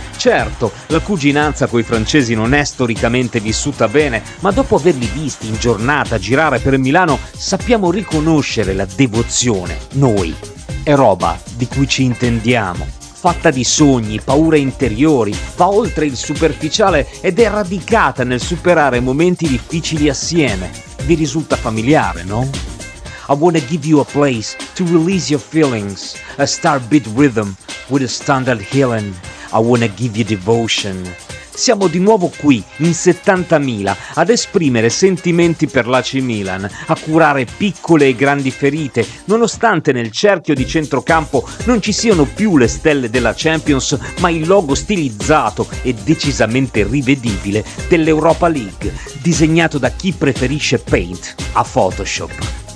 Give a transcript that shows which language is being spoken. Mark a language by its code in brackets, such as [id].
[it] Certo, la cuginanza coi francesi non è storicamente vissuta bene, ma dopo averli visti in giornata girare per Milano, sappiamo riconoscere la devozione. Noi, è roba di cui ci intendiamo. Fatta di sogni, paure interiori, va oltre il superficiale ed è radicata nel superare momenti difficili assieme. Vi risulta familiare, no? [en] I wanna give you a place to release your feelings, a star beat rhythm with a standard healing. I wanna give you devotion. [it] Siamo di nuovo qui, in 70.000, ad esprimere sentimenti per l'AC Milan, a curare piccole e grandi ferite, nonostante nel cerchio di centrocampo non ci siano più le stelle della Champions, ma il logo stilizzato e decisamente rivedibile dell'Europa League, disegnato da chi preferisce Paint a Photoshop.